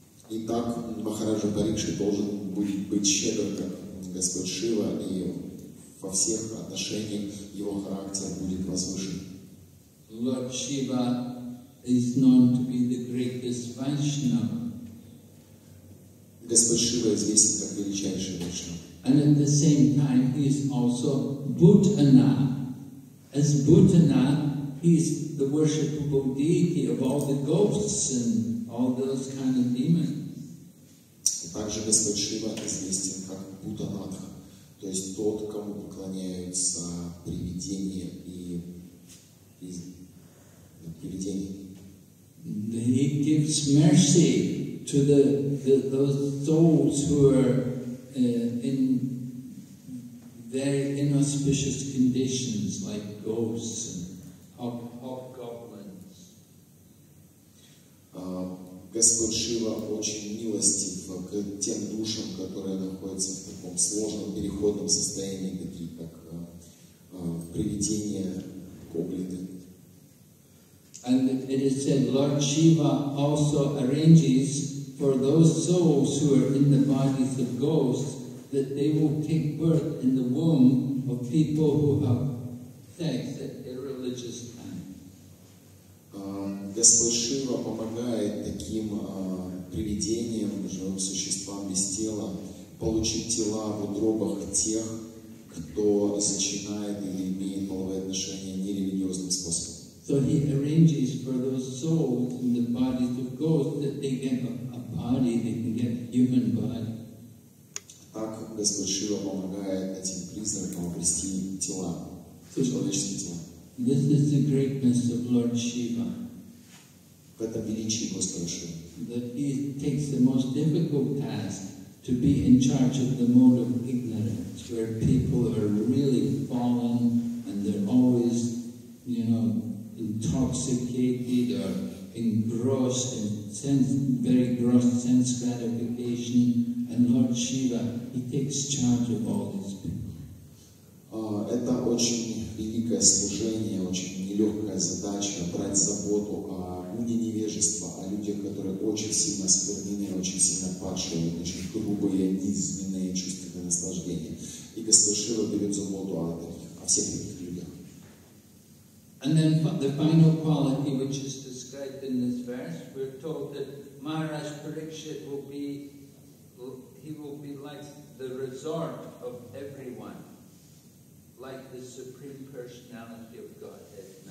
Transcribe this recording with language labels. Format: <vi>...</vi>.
<ru>И так Махараджа Парикши должен будет быть щедр, как Господь Шива, и во всех отношениях его характер будет возвышен.</ru> <en>Lord Shiva is known to be the greatest Vaishnava.</en> <ru>Господь Шива известен как величайший Вайшнава.</ru> <en>And at the same time, he is also Bhutana. As Bhutana, he is the worshipable deity of all the ghosts and all those kind of demons.</en> <ru>Также Господь Шива известен как Бутанатха, то есть тот, кому поклоняются привидения и привидения.</ru> <en>He gives mercy to those souls who are in very inauspicious conditions, like ghosts and hobgoblins.</en> <ru>Господь Шива очень милостив к тем душам, которые находятся в таком сложном переходном состоянии, такие как привидения, гоблины.</ru> <en>And it is said Lord Shiva also arranges for those souls who are in the bodies of ghosts that they will take birth in the womb of people who have sex at irreligious times.</en> <ru>Господь Шива помогает таким привидениям, живым существам без тела, получить тела в утробах тех, кто зачинает или имеет половые отношения нерелигиозным способом.</ru> <en>So he arranges for those souls in the bodies of ghosts that they get a body, they can get a human body.</en> <ru>Так Господь Шива помогает этим призракам обрести тела, человеческие тела.</ru> <en>This is the greatness of Lord Shiva.</en> <ru>В этом величии Господа Шива.</ru> <en>That he takes the most difficult task to be in charge of the mode of ignorance, where people are really fallen and they're always, you know, intoxicated or engrossed in sense, very gross sense gratification, and Lord Shiva, he takes charge of all these people.</en> <ru>Это очень великое служение, очень нелегкая задача брать заботу о люди невежества, о людях, которые очень сильно осквернены, очень сильно падшие, очень грубые, низменные чувственные наслаждения. И Господь Шива берет заботу о таких, о всех этих людях.</ru> <en>And then the final quality, which is described in this verse, we're told that Maharaj Parikshit will be like the resort of everyone, like the supreme personality of Godhead.</en>